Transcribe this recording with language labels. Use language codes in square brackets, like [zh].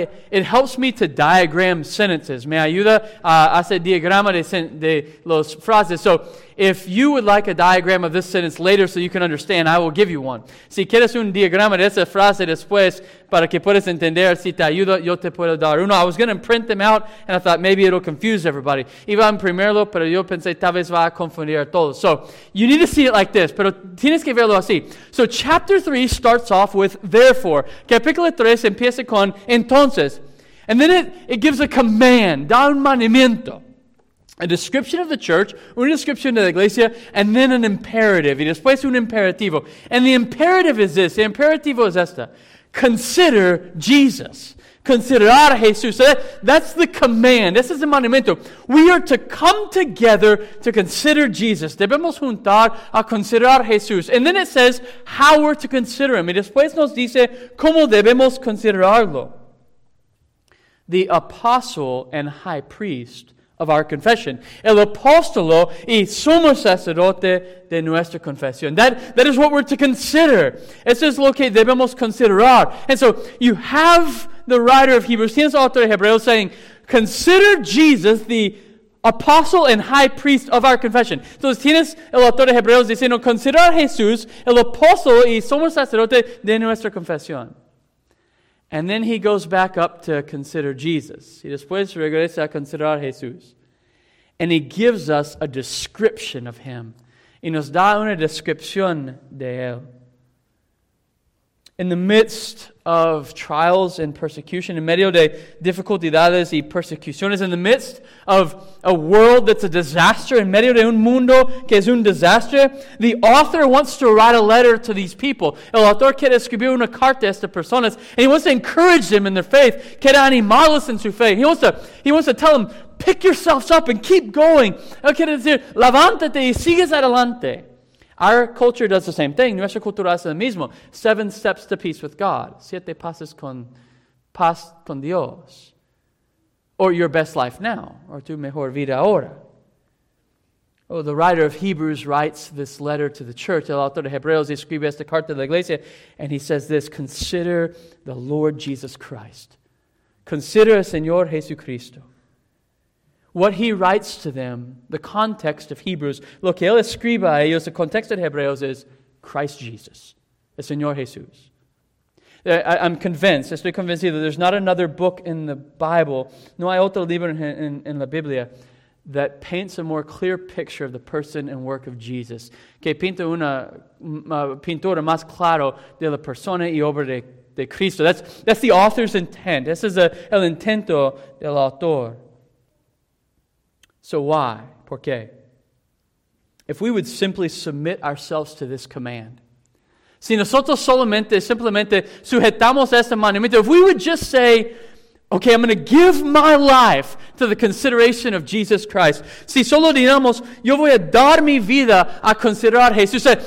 [en] It helps me to diagram sentences. [es] Me ayuda a hacer diagrama de los frases. [en] So if you would like a diagram of this sentence later so you can understand, I will give you one. [es] Si quieres un diagrama de esa frase después para que puedas entender, si te ayuda, yo te puedo dar uno. [en] I was going to print them out, and I thought maybe it'll confuse everybody. [es] Iba a imprimirlo, pero yo pensé, tal vez va a confundir a todos. [en] So you need to see it like this, [es] pero tienes que verlo así. [en] So chapter 3 starts off with therefore. [es] Capítulo 3 empieza con entonces. [en] And then it gives a command, [es] da un mandamiento. [en] A description of the church, [es] una descripción de la iglesia, [en] and then an imperative. [es] Y después un imperativo. [en] And the imperative is this, [es] el imperativo es esta. [en] Consider Jesus. [es] Considerar a Jesús. [en] So that's the command. [es] Ese es el mandamiento. [en] We are to come together to consider Jesus. [es] Debemos juntar a considerar a Jesús. [en] And then it says how we're to consider him. [es] Y después nos dice cómo debemos considerarlo. [en] The apostle and high priest of our confession. [es] El apóstolo y sumo sacerdote de nuestra confesión. [en] That is what we're to consider. [es] Eso es lo que debemos considerar. [en] And so you have the writer of Hebrews, [es] tienes autor de Hebreos [en] saying, consider Jesus, the apostle and high priest of our confession. [es] Entonces tienes el autor de Hebreos diciendo, considerar Jesús, el apóstolo y sumo sacerdote de nuestra confesión. [en] And then he goes back up to consider Jesus. [es] Y después regresa a considerar Jesús. [en] And he gives us a description of him. [es] Y nos da una descripción de él. [en] In the midst of trials and persecution, [es] en medio de dificultades y persecuciones, [en] in the midst of a world that's a disaster, [es] en medio de un mundo que es un desastre, [en] the author wants to write a letter to these people. [es] El autor quiere escribir una carta a estas personas, [en] and he wants to encourage them in their faith, [es] quiere animarlos en su fe. [en] He wants to tell them, pick yourselves up and keep going. [es] Él quiere decir, levántate y sigues adelante. [en] Our culture does the same thing. [es] Nuestra cultura hace lo mismo. [en] 7 steps to peace with God. [es] 7 pasos con paz con Dios. [en] Or your best life now. Or [es] tu mejor vida ahora. [en] Oh, the writer of Hebrews writes this letter to the church. [es] El autor de Hebreos escribe esta carta a la iglesia. [en] And he says this, consider the Lord Jesus Christ. [es] Consider el Señor Jesucristo. [en] What he writes to them, the context of Hebrews, [es] lo que él escribe a ellos, [en] the context of Hebreos is Christ Jesus, [es] el Señor Jesús. [en] I'm convinced that there's not another book in the Bible, [es] no hay otro libro en la Biblia, [en] that paints a more clear picture of the person and work of Jesus, [es] que pinta una pintura más claro de la persona y obra de Cristo. [en] That's the author's intent. [es] Ese es el intento del autor. [en] So why? [es] ¿Por qué? [en] If we would simply submit ourselves to this command, [es] si nosotros simplemente sujetamos este mandamiento, [en] if we would just say, okay, I'm going to give my life to the consideration of Jesus Christ. [es] Si solo digamos, yo voy a dar mi vida a considerar Jesús.